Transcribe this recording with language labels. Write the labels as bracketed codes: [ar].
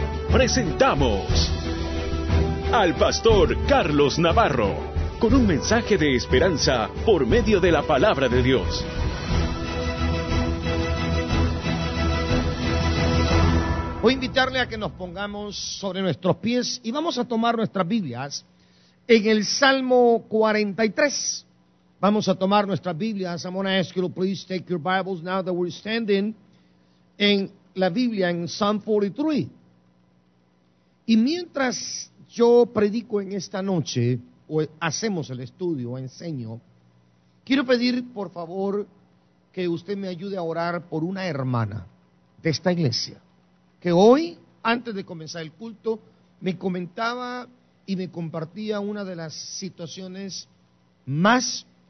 [es] Presentamos al Pastor Carlos Navarro, con un mensaje de esperanza por medio de la Palabra de Dios. Voy a invitarle a que nos pongamos sobre nuestros pies y vamos a tomar nuestras Biblias en el Salmo 43. Vamos a tomar nuestras Biblias. [en] I'm going to ask you to please take your Bibles now that we're standing [es] en la Biblia, en [en] Psalm 43. [es] Y mientras yo predico en esta noche, o hacemos el estudio, o enseño, quiero pedir, por favor, que usted me ayude a orar por una hermana de esta iglesia, que hoy, antes de comenzar el culto, me comentaba y me compartía una de las situaciones más